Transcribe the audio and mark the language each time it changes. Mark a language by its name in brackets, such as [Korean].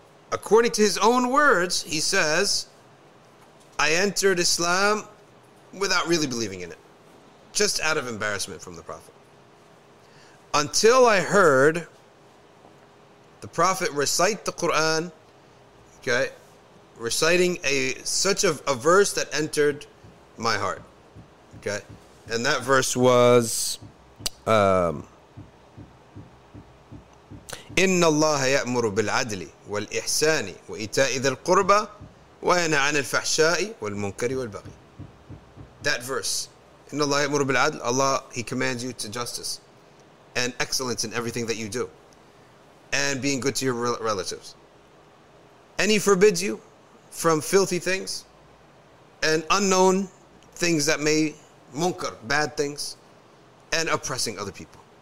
[English] According to his own words, he says, I entered Islam without really believing in it. Just out of embarrassment from the Prophet. Until I heard the Prophet recite the Quran, okay, reciting such a verse that entered my heart. Okay? And that verse was [Arabic] إِنَّ اللَّهَ يَأْمُرُ بِالْعَدْلِ وَالْإِحْسَانِ وَإِتَاءِ ذِي الْقُرْبَى وَيَنْهَى عَنِ الْفَحْشَاءِ وَالْمُنْكَرِ وَالْبَغْيِ. [English] That verse. [Arabic] إِنَّ اللَّهَ يَأْمُرُ بِالْعَدْلِ. [English] Allah, He commands you to justice and excellence in everything that you do, and being good to your relatives. And He forbids you from filthy things and unknown things that may munkar, bad things, and oppressing other people.